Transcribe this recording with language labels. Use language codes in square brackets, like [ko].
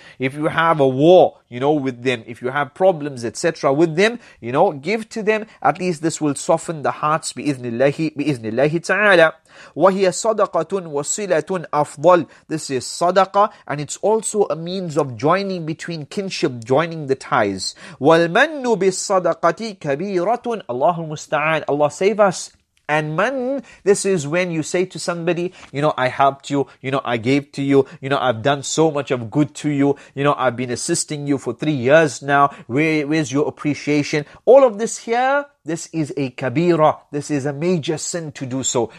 [en] If you have a war, with them. If you have problems, etc. with them, give to them. At least this will soften the hearts, bi-idhnillahi ta'ala. [ar] وَهِيَ صَدَقَةٌ وَصِلَةٌ أَفْضَلٌ [en] This is sadaqah, and it's also a means of joining between kinship, joining the ties. [ar] وَالْمَنُّ بِالصَّدَقَةِ كَبِيرَةٌ اللَّهُ الْمُسْتَعَانِ [en] Allah save us. And man, this is when you say to somebody, I helped you, I gave to you, I've done so much of good to you, I've been assisting you for 3 years now, where's your appreciation? All of this here, this is a kabira, this is a major sin to do so.